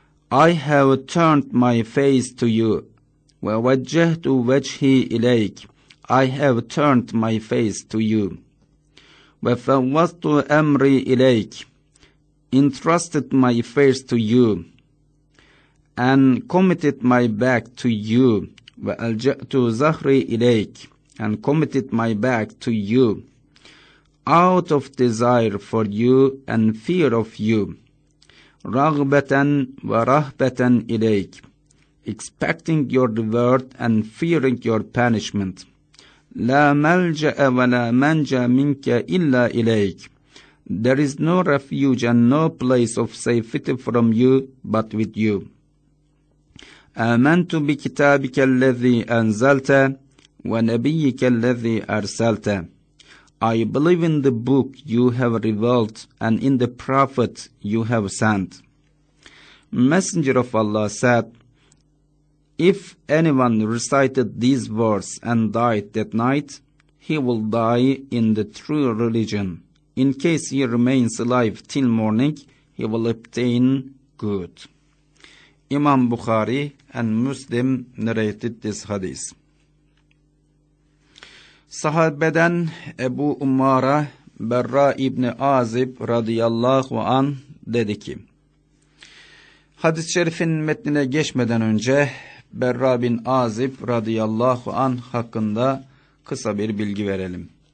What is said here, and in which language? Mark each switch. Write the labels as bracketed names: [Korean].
[English] I have turned my face to you. [Arabic] Ve vejjehtu vejhi ileyk. [English] I have turned my face to you. [Arabic] Ve fevvastu emri ileyk. [English] Entrusted my affairs to you. And committed my back to you. [Arabic] وَأَلْجَأْتُ زَهْرِي إِلَيْكَ [English] and committed my back to you out of desire for you and fear of you [Arabic] رَغْبَةً وَرَهْبَةً إِلَيْكَ [English] expecting your reward and fearing your punishment [Arabic] لَا مَلْجَأَ وَلَا مَنْجَى مِنْكَ إِلَّا إِلَيْكَ [English] there is no refuge and no place of safety from you but with you [Arabic] آمنت بكتابك الذي أنزلت ونبيك الذي أرسلت [English] I believe in the book you have revealed and in the prophet you have sent. Messenger of Allah said, If anyone recited these words and died that night, he will die in the true religion. In case he remains alive till morning, he will obtain good. İmam Bukhari and Muslim narrated this hadith. [Turkish] Sahabeden Ebu Umara Berra İbni Azib radıyallahu an dedi ki, hadis-i şerifin metnine geçmeden önce Berra bin Azib radıyallahu anh hakkında kısa bir bilgi verelim.